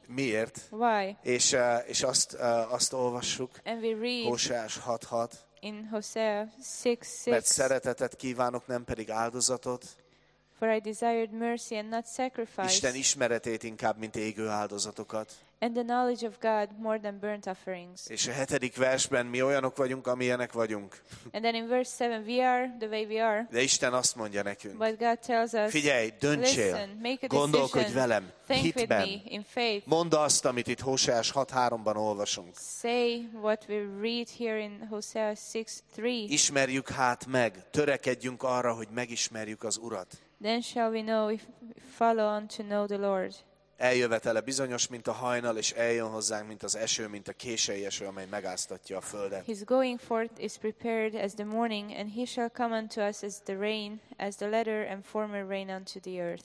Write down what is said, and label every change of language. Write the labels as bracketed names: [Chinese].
[Hungarian] Miért? [English] Why? [Hungarian] És azt olvassuk. [English] And we read. [Hungarian] Hoseás 6:6. [English] In Hosea 6:6. [Hungarian] Mert szeretetet kívánok, nem pedig áldozatot. [English] For I desired mercy and not sacrifice. [Hungarian] Isten ismeretét inkább, mint égő áldozatokat. [English] And the knowledge of God more than burnt offerings. [Hungarian] És a hetedik versben mi olyanok vagyunk, amilyenek vagyunk. [English] And then in verse 7 we are the way we are. [Hungarian] De Isten azt mondja nekünk. [English] But God tells us. [Hungarian] Figyelj, döntsél. [English] Listen, make a decision. [Hungarian] Gondolkodj velem. [English] Think [Hungarian] hitben. [English] With me in faith. [Hungarian] Mondd azt, amit itt Hoseás 6:3-ban olvasunk. [English] Say what we read here in Hosea 6:3. [Hungarian] Ismerjük hát meg, törekedjünk arra, hogy megismerjük az Urat. [English] Then shall we know if we follow on to know the Lord. [Hungarian] Eljövetele bizonyos, mint a hajnal, és eljön hozzánk, mint az eső, mint a késői eső, amely megáztatja a földet. [English] His going forth is prepared as the morning, and he shall come unto us as the rain, as the latter and former rain unto the earth.